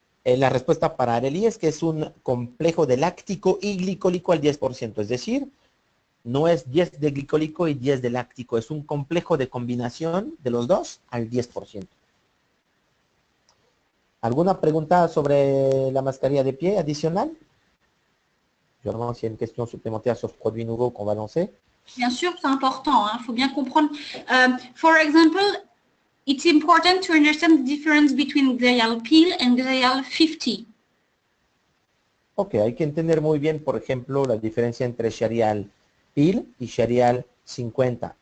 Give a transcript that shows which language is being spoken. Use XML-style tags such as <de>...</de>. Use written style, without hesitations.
<fr>Et la réponse pour Arely est que c'est un complexe de lactico et glycolico al 10%. C'est-à-dire,</fr> <es>no es 10 de glicólico y 10 de láctico, es un complejo de combinación de los dos al 10%. ¿Alguna pregunta sobre la mascarilla de pie adicional? Yo no sé si hay una cuestión suplementaria sobre el producto nuevo que va a lanzar.</es> <fr>Bien sûr, c'est important, hein. Faut bien comprendre.</fr> <en>For example, it's important to understand the difference between glial peel and glial 50.</en> <es>Ok, hay que entender muy bien, por ejemplo, la diferencia entre Sharial peel y Sharial 50.</es>